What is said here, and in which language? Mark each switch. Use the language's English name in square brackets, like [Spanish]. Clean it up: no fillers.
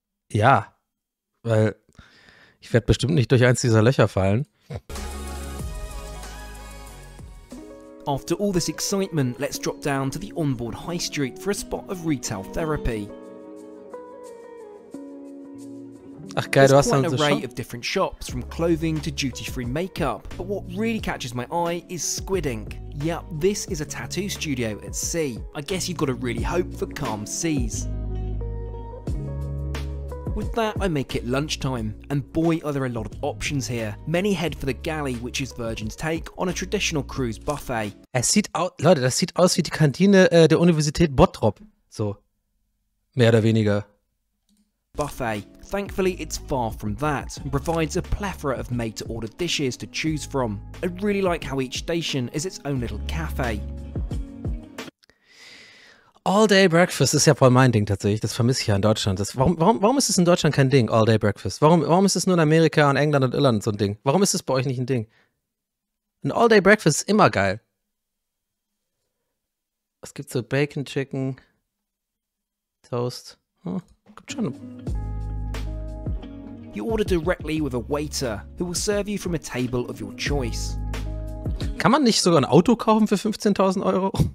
[German] Ja, weil ich werde bestimmt nicht durch eins dieser Löcher fallen. [English] After all this excitement, let's drop down to the onboard high street for a spot of retail therapy. [German] Ach geil, du hast dann so [English] an array of different shops, from clothing to duty-free makeup. But what really catches my eye is Squid Ink. Yep, this is a tattoo studio at sea. I guess you've got to really hope for calm seas. With that, I make it lunchtime, and boy are there a lot of options here. Many head for the galley, which is Virgin's take on a traditional cruise buffet. [German] Es sieht aus, Leute, das sieht aus wie die Kantine der Universität Bottrop. So, mehr oder weniger. Buffet. [English] Thankfully, it's far from that, and provides a plethora of made-to-order dishes to choose from. I really like how each station is its own little cafe. [German] All-day breakfast ist ja voll mein Ding tatsächlich. Das vermisse ich ja in Deutschland. Warum ist es in Deutschland kein Ding, all-day breakfast? Warum ist es nur in Amerika und England und Irland so ein Ding? Warum ist es bei euch nicht ein Ding? Ein all-day breakfast ist immer geil. Es gibt so Bacon, Chicken, Toast. Hm, gibt schon. [English] You order directly with a waiter, who will serve you from a table of your choice. [German] Kann man nicht sogar ein Auto kaufen für 15.000 Euro?